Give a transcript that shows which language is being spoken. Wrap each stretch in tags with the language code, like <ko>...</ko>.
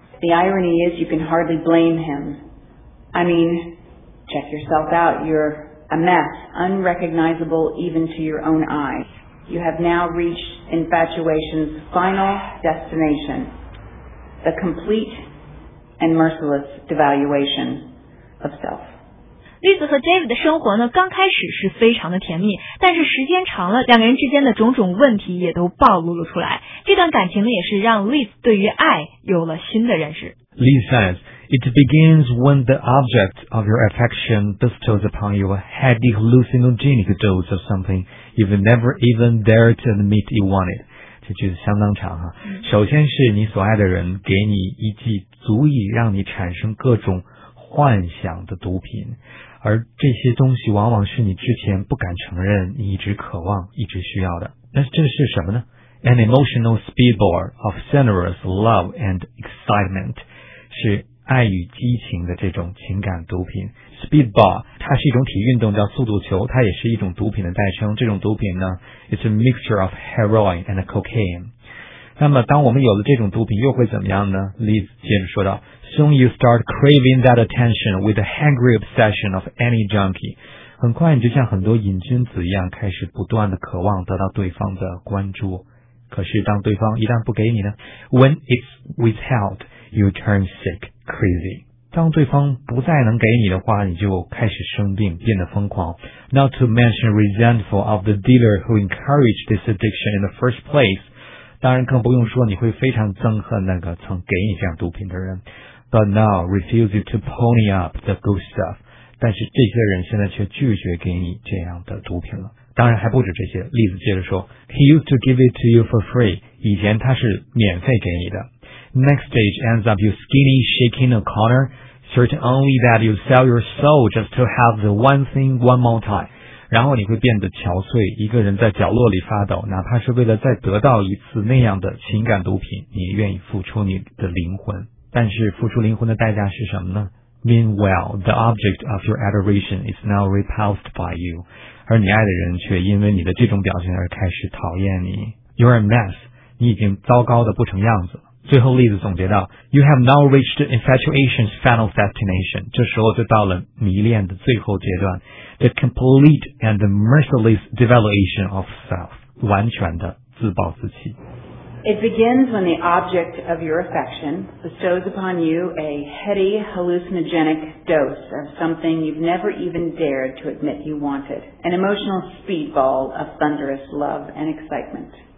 <en>The irony is you can hardly blame him. I mean, check yourself out, you're... A mess, unrecognizable even to your own eyes. You have now reached infatuation's final destination, the complete and merciless devaluation of self.</en> <zh>Liz 和 David 的生活呢，刚开始是非常的甜蜜，但是时间长了，两个人之间的种种问题也都暴露了出来。这段感情呢，也是让 Liz 对于爱有了新的认识。</zh> <en>Liz says,It begins when the object of your affection bestows upon you a heady hallucinogenic dose of something you've never even dared to admit you wanted.</en> <zh>这句子相当长哈。首先是你所爱的人给你一剂足以让你产生各种幻想的毒品，而这些东西往往是你之前不敢承认、你一直渴望、一直需要的。那这是什么呢</zh> <en>？An emotional speedball of generous love and excitement</en> <zh>是。爱与激情的这种情感毒品 Speedball 它是一种体育运动叫速度球它也是一种毒品的代称这种毒品呢</zh> <en>It's a mixture of heroin and cocaine</en> <zh>那么当我们有了这种毒品又会怎么样呢 Liz 接着说道</zh> <en>Soon you start craving that attention with the hungry obsession of any junkie</en> <zh>很快你就像很多瘾君子一样开始不断的渴望得到对方的关注可是当对方一旦不给你呢</zh> <en>When it's withheld you turn sickCrazy.</en> <zh>当对方不再能给你的话你就开始生病变得疯狂</zh> <en>Not to mention resentful of the dealer who encouraged this addiction in the first place</en> <zh>当然更不用说你会非常憎恨那个曾给你这样毒品的人</zh> <en>But now refuses to pony up the good stuff</en> <zh>但是这些人现在却拒绝给你这样的毒品了当然还不止这些例子接着说</zh> <en>He used to give it to you for free</en> <zh>以前他是免费给你的</zh> <en>Next stage ends up you skinny, shaking a corner, certain only that you sell your soul just to have the one thing one more time.</en> <zh>然后你会变得憔悴，一个人在角落里发抖，哪怕是为了再得到一次那样的情感毒品，你愿意付出你的灵魂。但是付出灵魂的代价是什么呢？</zh> <en>Meanwhile, the object of your adoration is now repulsed by you.</en> <zh>而你爱的人却因为你的这种表现而开始讨厌你。</zh> <en>You're a mess.</en> <zh>你已经糟糕的不成样子了。最后例子总结到</zh> <en>You have now reached infatuation's final destination</en> <zh>这时候就到了迷恋的最后阶段</zh> <en>The complete and merciless devaluation of self</en> <zh>完全的自暴自弃</zh> <en>It begins when the object of your affection bestows upon you a heady, hallucinogenic dose of something you've never even dared to admit you wanted, an emotional speedball of thunderous love and excitement.</en>